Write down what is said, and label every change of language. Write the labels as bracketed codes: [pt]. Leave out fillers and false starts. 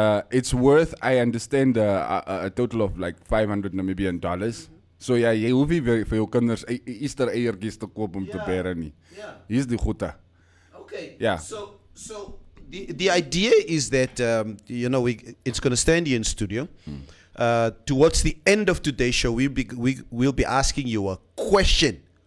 [en] It's worth, I understand, a total of like $500 Namibian. Mm-hmm. [af] So yeah, jy hoef nie vir jou kinders Easter eiertjies te koop om te bere nie. [en] Yeah. [af] Hier is die goeie. [en] Okay. Yeah. So the idea is that it's going to stand here in studio. Mm. Towards the end of today's show, we'll be asking you a question.